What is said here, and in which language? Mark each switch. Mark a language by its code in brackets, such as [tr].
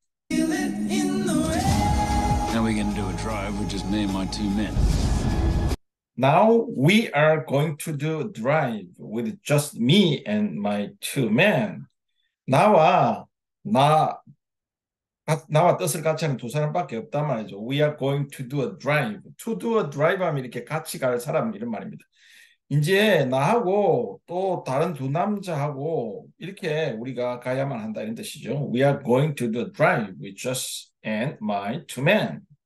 [en] Now we're gonna do a drive with just me and my two men. Now we are going to do a drive with just me and my two men. [ko] 나와 뜻을 같이 하는 두 사람밖에 없단 말이죠. [en] We are going to do a drive. To do a drive [ko] 하면 이렇게 같이 갈 사람 이런 말입니다. 이제 나하고 또 다른 두 남자하고 이렇게 우리가 가야만 한다 이런 뜻이죠. [en] We are going to do a drive with just and my two men.